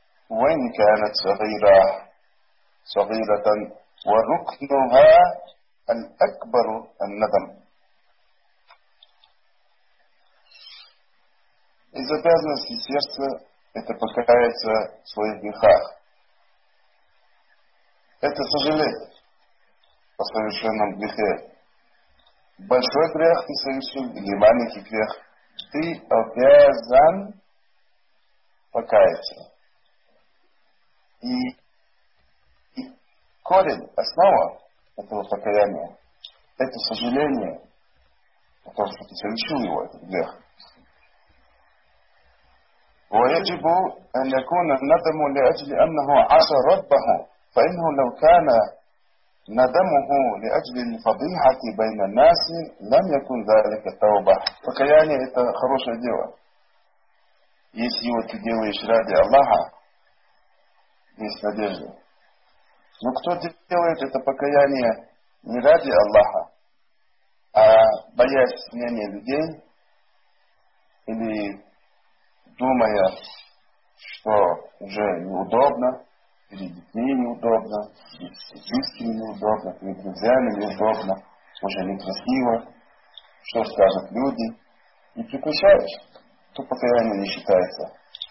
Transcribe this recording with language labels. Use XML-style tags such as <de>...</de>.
<ar>وإن كانت صغيرة صغيرة وركنها الأكبر الندم.</ar> <ru>Из обязанностей сердца это покаяться в своих грехах. Это сожалеть о совершенном грехе. Большой грех ты совершил или маленький грех, ты обязан покаяться. И корень, основа этого покаяния, это сожаление о том, что ты совершил его, этот грех.</ru> <ar>ويجب أن يكون الندم لأجل أنه عصى ربه، فإنه لو كان ندمه لأجل الفضيحة بين الناس لم يكن ذلك توبة.</ar> <ru>فكياني это хорошее дело. Если вот ты делаешь ради Аллаха, есть надежда. Но кто делает это покаяние не ради Аллаха, а боясь мнения людей или думая, что уже неудобно, перед детьми неудобно, перед близкими неудобно, перед друзьями неудобно, уже некрасиво, что скажут люди, и прекращаешь, то покаяние не считается.</ru>